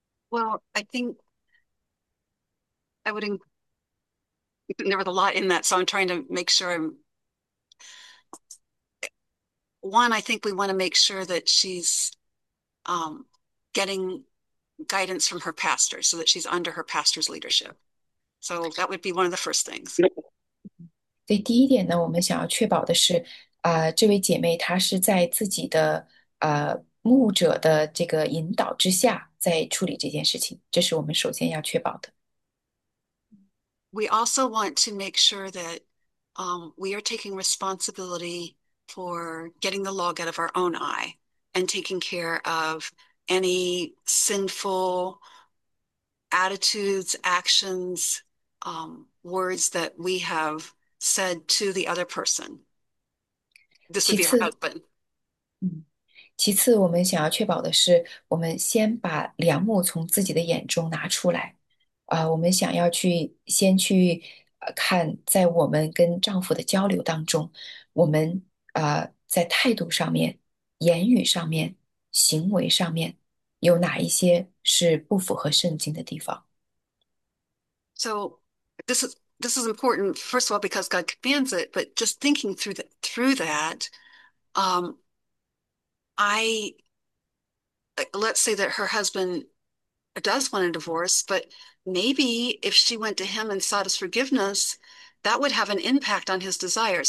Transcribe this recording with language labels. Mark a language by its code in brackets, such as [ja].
[en] Well, I think I would, there was a lot in that, so I'm trying to make sure I'm, one, I think we want to make sure that she's getting guidance from her pastor so that she's under her pastor's leadership. So that would be one of the first things. [zh] 对，第一点呢，我们想要确保的是，这位姐妹她是在自己的牧者的这个引导之下在处理这件事情，这是我们首先要确保的。 [en] We also want to make sure that we are taking responsibility for getting the log out of our own eye and taking care of any sinful attitudes, actions, words that we have said to the other person. This would be our husband. [zh] 其次，我们想要确保的是，我们先把梁木从自己的眼中拿出来，我们想要去先去看，在我们跟丈夫的交流当中，我们在态度上面、言语上面、行为上面，有哪一些是不符合圣经的地方。 [en] So this is important, first of all, because God commands it, but just thinking through the, through that, I let's say that her husband does want a divorce, but maybe if she went to him and sought his forgiveness, that would have an impact on his desires.